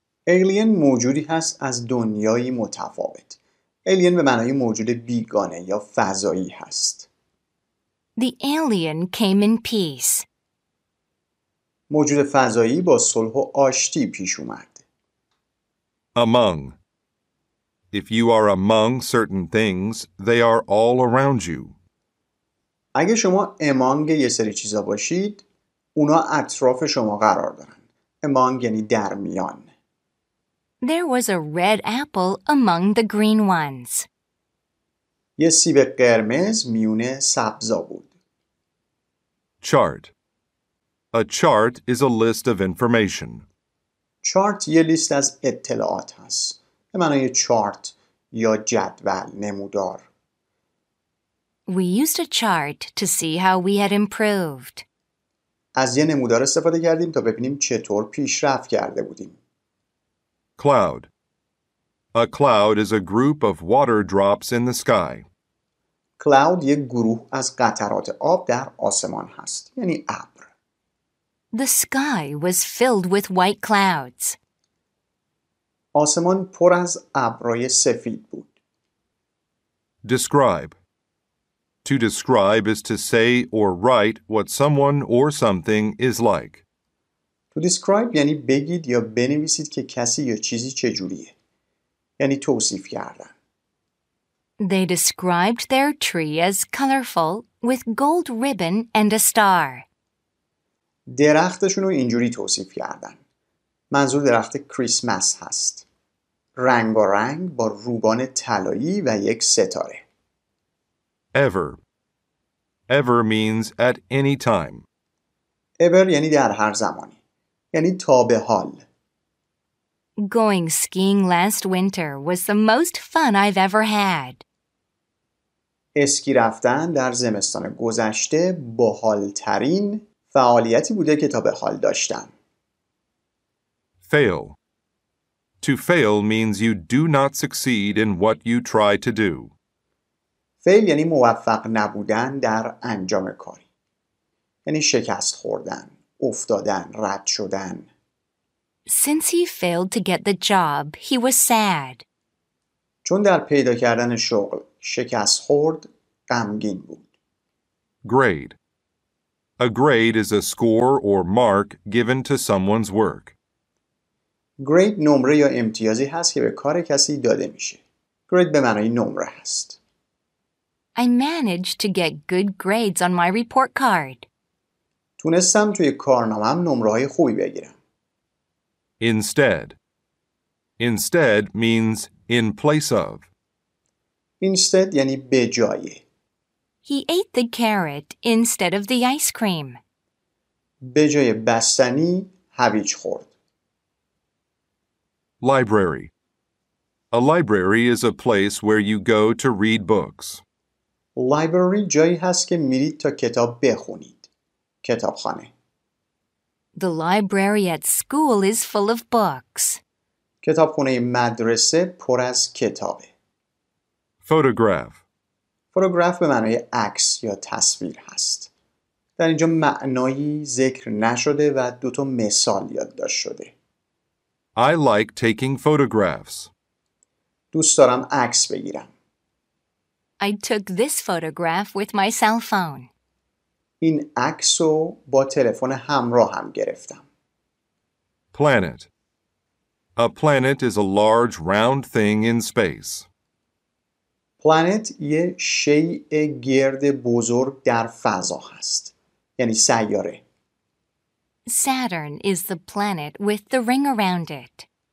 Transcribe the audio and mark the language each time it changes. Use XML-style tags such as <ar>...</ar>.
<fa>Alien موجودی هست از دنیای متفاوت. Alien به معنای موجود بیگانه یا فضایی هست.</fa> <en>The alien came in peace.</en> <fa>موجود فضایی با صلح و آشتی پیش اومد.</fa> <en>Among If you are among certain things, they are all around you.</en> <fa>اگه شما among یه سری چیزا باشید، اونا اطراف شما قرار دارن. Among یعنی در میان.</fa> <en>There was a red apple among the green ones.</en> <fa>یه سیب قرمز میونه سبزا بود.</fa> <en>Chart A chart is a list of information.</en> <fa>Chart یه لیست از اطلاعات هست. به معنای چارت یا جدول نمودار.</fa> <en>We used a chart to see how we had improved.</en> <fa>از یه نمودار استفاده کردیم تا ببینیم چطور پیشرفت کرده بودیم.</fa> <en>Cloud. A cloud is a group of water drops in the sky.</en> <fa>Cloud یه گروه از قطرات آب در آسمان هست. یعنی ابر.</fa> <en>The sky was filled with white clouds.</en> <fa>آسمان پر از ابرای سفید بود.</fa> <en>Describe. To describe is to say or write what someone or something is like. To describe</en> <fa>یعنی بگید یا بنویسید که کسی یا چیزی چجوریه. یعنی توصیف کردن.</fa> <en>They described their tree as colorful with gold ribbon and a star.</en> <fa>درختشون رو اینجوری توصیف کردن. منظور درخت کریسمس هست. رنگ و رنگ با روبان طلایی و یک ستاره.</fa> <en>Ever. Ever means at any time.</en> <fa>Ever یعنی در هر زمانی. یعنی تا به حال.</fa> <en>Going skiing last winter was the most fun I've ever had.</en> <fa>اسکی رفتن در زمستان گذشته باحال‌ترین فعالیتی بوده که تا به حال داشتم.</fa> <en>Fail. To fail means you do not succeed in what you try to do.</en> <fa>Fail یعنی موفق نبودن در انجام کاری. یعنی شکست خوردن، افتادن، رد شدن.</fa> <en>Since he failed to get the job, he was sad.</en> <fa>چون در پیدا کردن شغل شکست خورد، غمگین بود.</fa> <en>Grade. A grade is a score or mark given to someone's work.</en> <fa>Grade نمره یا امتیازی هست که به کار کسی داده میشه. Grade به معنی نمره هست.</fa> <en>I managed to get good grades on my report card.</en> <fa>تونستم توی کارنامه‌ام نمره‌های خوبی بگیرم.</fa> <en>Instead. Instead means in place of.</en> <fa>Instead یعنی به جای.</fa> <en>He ate the carrot instead of the ice cream.</en> <fa>به جای بستنی هویج خورد.</fa> <en>Library. A library is a place where you go to read books.</en> <fa>Library جایی هست که میرید تا کتاب بخونید. کتابخانه.</fa> <en>The library at school is full of books.</en> <fa>کتابخانه مدرسه پر از کتابه.</fa> <en>Photograph.</en> <fa>فوتوگراف به معنای عکس یا تصویر هست. در اینجا معنایی ذکر نشده و دو تا مثال یادداشت شده.</fa> <en>I like taking photographs.</en> <fa>دوست دارم عکس بگیرم.</fa> <en>I took this photograph with my cell phone.</en> <fa>این عکس رو با تلفن همراه هم گرفتم.</fa> <en>Planet. A planet is a large round thing in space.</en> <fa>Planet یه شیء گرد بزرگ در فضا هست. یعنی سیاره.</fa> <en>Saturn is the planet with the ring around it.</en>